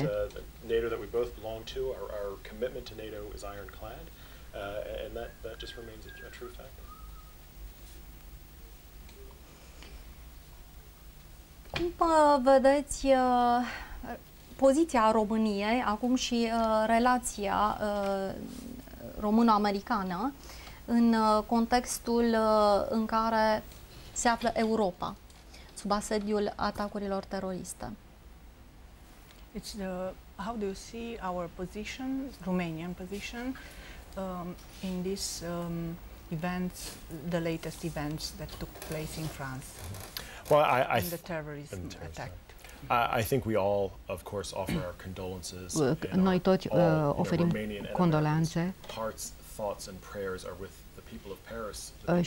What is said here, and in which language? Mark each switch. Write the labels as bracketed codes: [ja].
[en] NATO that we both belong to, our commitment to NATO is ironclad, and that just remains a true fact. [ro] Cum vedeți poziția României acum și relația româno-americană în contextul în care se află Europa sub asediul atacurilor teroriste? [en] It's the, how do you see our position, Romanian position, in this events, the latest events that took place in France? Well, in the terrorism attack. I think we all, of course, offer our condolences. [ro] Noi toți oferim condolențe. [en] Hearts, thoughts, and prayers are with the people of Paris.